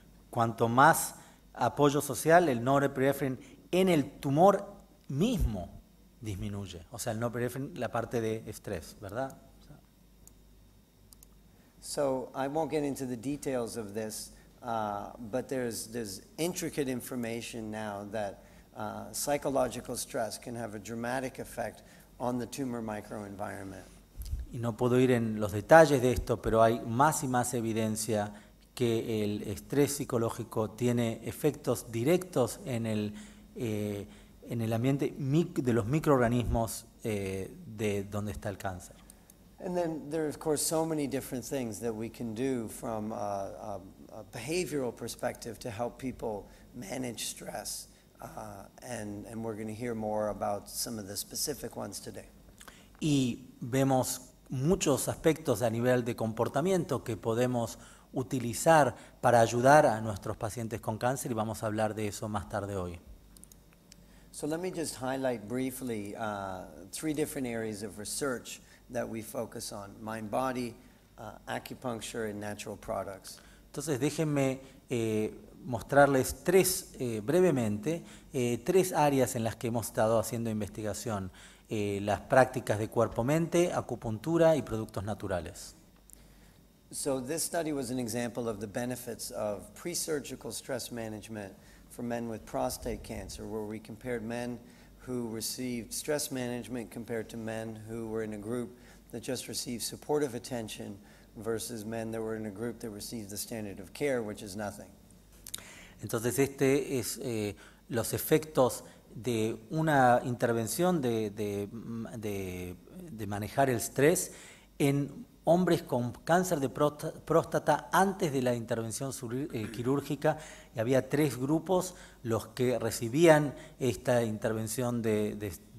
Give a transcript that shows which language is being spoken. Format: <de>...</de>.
<es>Cuanto más apoyo social, el norepinephrine en el tumor mismo disminuye. O sea, el norepinephrine, la parte de estrés, ¿verdad?</es> <en>So I won't get into the details of this, but there's intricate information now that psychological stress can have a dramatic effect on the tumor microenvironment.</en> <es>Y no puedo ir en los detalles de esto, pero hay más y más evidencia que el estrés psicológico tiene efectos directos en el ambiente de los microorganismos de donde está el cáncer.</es> <en>And then there are of course so many different things that we can do from a behavioral perspective to help people manage stress. And we're going to hear more about some of the specific ones today.</en> <es>Y vemos muchos aspectos a nivel de comportamiento que podemos utilizar para ayudar a nuestros pacientes con cáncer y vamos a hablar de eso más tarde hoy.</es> <en>So let me just highlight briefly three different areas of research that we focus on: mind-body, acupuncture, and natural products.</en> <es>Entonces déjenme mostrarles tres brevemente tres áreas en las que hemos estado haciendo investigación: las prácticas de cuerpo-mente, acupuntura y productos naturales.</es> <en>So this study was an example of the benefits of pre-surgical stress management for men with prostate cancer, where we compared men who received stress management compared to men who were in a group that just received supportive attention versus men that were in a group that received the standard of care, which is nothing.</en> <es>Entonces, este es los efectos de una intervención de manejar el estrés en hombres con cáncer de próstata antes de la intervención quirúrgica, y había tres grupos los que recibían esta intervención de</es>